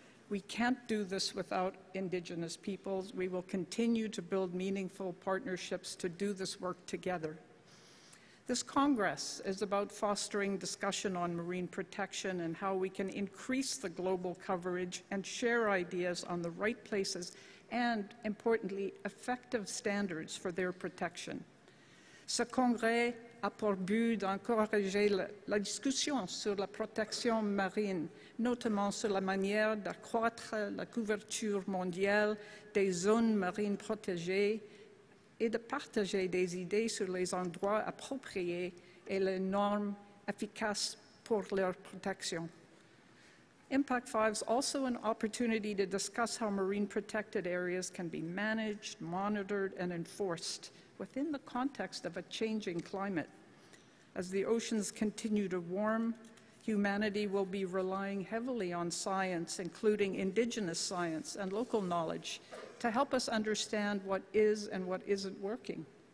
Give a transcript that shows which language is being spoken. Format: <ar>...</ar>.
<en>We can't do this without Indigenous peoples. We will continue to build meaningful partnerships to do this work together. This Congress is about fostering discussion on marine protection and how we can increase the global coverage and share ideas on the right places and, importantly, effective standards for their protection.</en> <fr>Ce Congrès a pour but d'encourager la discussion sur la protection marine, notamment sur la manière d'accroître la couverture mondiale des zones marines protégées, et de partager des idées sur les endroits appropriés et les normes efficaces pour leur protection.</fr> <en>IMPAC5 is also an opportunity to discuss how marine protected areas can be managed, monitored, and enforced within the context of a changing climate. As the oceans continue to warm, humanity will be relying heavily on science, including Indigenous science and local knowledge, to help us understand what is and what isn't working.</en>